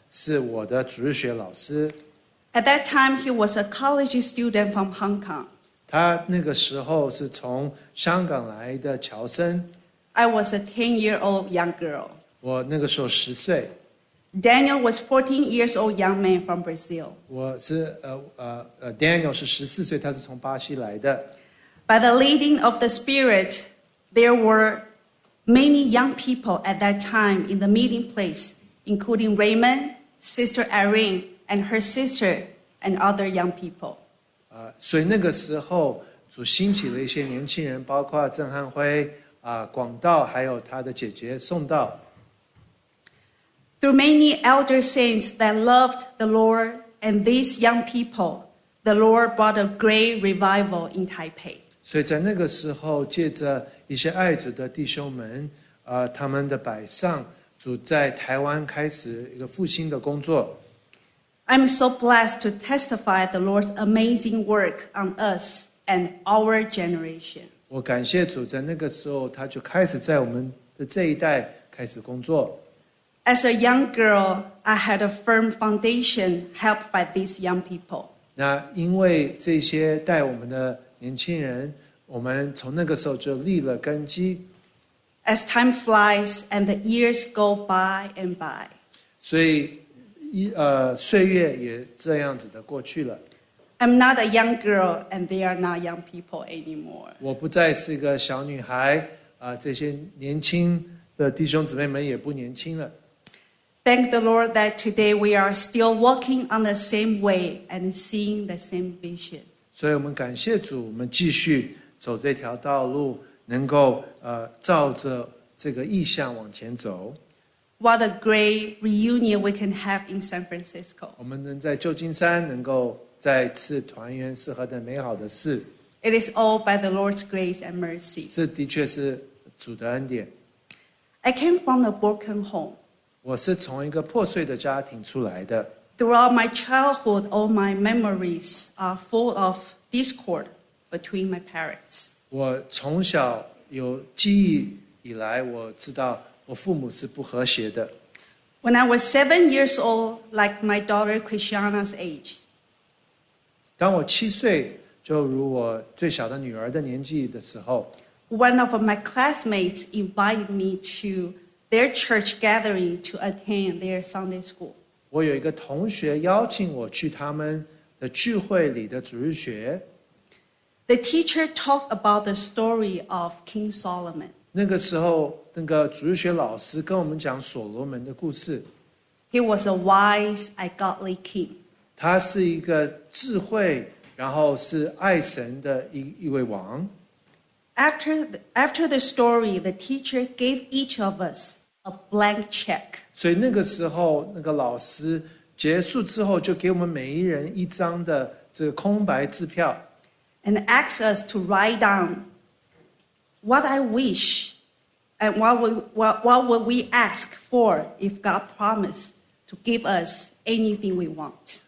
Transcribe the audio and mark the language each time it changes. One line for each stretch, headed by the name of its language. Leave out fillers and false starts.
Chinese: 所以我在台湾的时候，也许你们不知道，但是我们的郑涵辉弟兄是我的主日学老师。At
English: that time, he was a college student from Hong Kong.
Chinese: 他那个时候是从香港来的侨生。I
English: was a 10-year-old young girl.
Chinese: 我那个时候10岁。
English: Daniel was 14 years old young man from Brazil.
Chinese: 我是Daniel 是14岁, 他是从巴西来的。
English: By the leading of the Spirit, there were many young people at that time in the meeting place, including Raymond, Sister Irene, and her sister, and other young people.
Chinese: 所以那个时候主兴起了一些年轻人, 包括郑汉辉, 广道, 还有他的姐姐宋道。
English: Through many elder saints that loved the Lord and these young people, The Lord brought a great revival in Taipei.
Chinese: 所以在那个时候，借着一些爱主的弟兄们，他们的摆上，主在台湾开始一个复兴的工作。
English: I'm so blessed to testify the Lord's amazing work on us and our generation.
Chinese: 我感谢主，在那个时候，他就开始在我们的这一代开始工作。
English: As a young girl, I had a firm foundation helped by these young people.
Chinese: 那因为这些带我们的年轻人，我们从那个时候就立了根基。
English: As time flies and the years go by and by.
Chinese: 所以岁月也这样子的过去了。
English: I'm not a young girl and they are not young people anymore.
Chinese: 我不再是个小女孩，这些年轻的弟兄姊妹们也不年轻了。
English: Thank the Lord that today we are still walking on the same way and seeing the same vision.
Chinese: 所以我们感谢主，我们继续走这条道路，能够照着这个意向往前走。
English: What a great reunion we can have in San Francisco.
Chinese: 我们能在旧金山能够再次团圆是何等美好的事。
English: It is all by the Lord's grace and mercy.
Chinese: 这的确是主的恩典。
English: I came from a broken home.
Chinese: 我是从一个破碎的家庭出来的。
English: Throughout my childhood, all my memories are full of discord between my parents.
Chinese: 我从小有记忆以来，我知道我父母是不和谐的。
English: When I was 7 years old, like my daughter Christiana's age.
Chinese: 当我七岁，就如我最小的女儿的年纪的时候。
English: One of my classmates invited me to their church gathering to attend their Sunday school.
Chinese: 我有一个同学邀请我去他们的聚会里的主日学。
English: The teacher talked about the story of King Solomon.
Chinese: 那个时候那个主日学老师跟我们讲所罗门的故事。
English: He was a wise and godly king.
Chinese: 他是一个智慧，然后是爱神的一位王。
English: After the story, the teacher gave each of us a blank check.
Chinese: 所以那个时候，那个老师结束之后，就给我们每一人一张的这个空白支票。
English: And asked us to write down what I wish. And what would we ask for if God promised to give us anything we want?